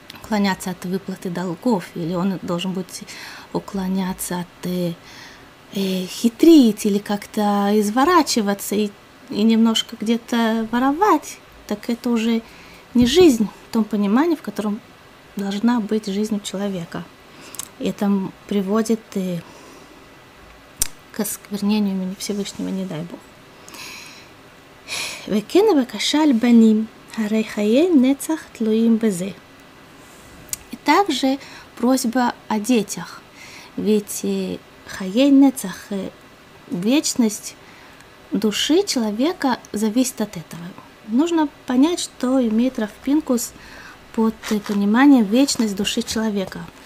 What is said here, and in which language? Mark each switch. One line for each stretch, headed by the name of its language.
Russian: уклоняться от выплаты долгов, или он должен быть уклоняться от хитрить, или как-то изворачиваться и немножко где-то воровать, так это уже не жизнь в том понимании, в котором должна быть жизнь у человека. Это приводит к осквернению имени Всевышнего, не дай Бог.
Hebrew: וכן בקשה על בנים, הרי חיי נצח תלויים בזה.
Russian: И также просьба о детях, ведь хаей нецах, вечность души человека зависит от этого. Нужно понять, что имеет Рав Пинкус под пониманием вечность души человека.